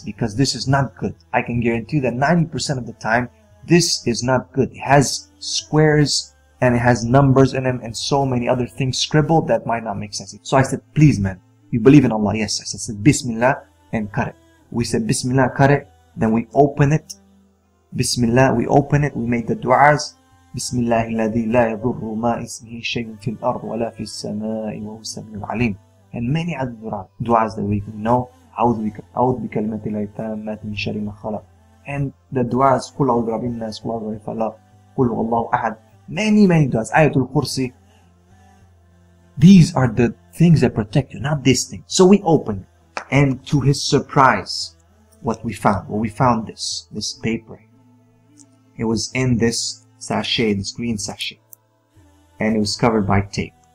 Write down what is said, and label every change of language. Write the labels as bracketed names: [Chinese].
[English] Because this is not good. I can guarantee you that 90% of the time, this is not good. It has squares and it has numbers in them and so many other things scribbled that might not make sense. So I said, please, man, you believe in Allah? Yes. I said, Bismillah and cut it. We said, Bismillah, cut it. Then we open it. Bismillah, we open it. We made the du'as. [Arabic] بسم الله الذي لا يضر ما اسمه شيء في الأرض ولا في السماء وهو السميع العليم. [English] And many other du'as that we can know. [Arabic] أعوذ بكلمة الله التامة من شر ما خلق. [English] And the du'as [Arabic] قل أعوذ برب الناس قل أعوذ برب الفلق قل هو الله أحد. [English] Many du'as. آية الكرسي. These are the things that protect you, not this thing. So we opened. And to his surprise, what we found. Well, we found this paper. It was in this sachet, this green sachet, and it was covered by tape.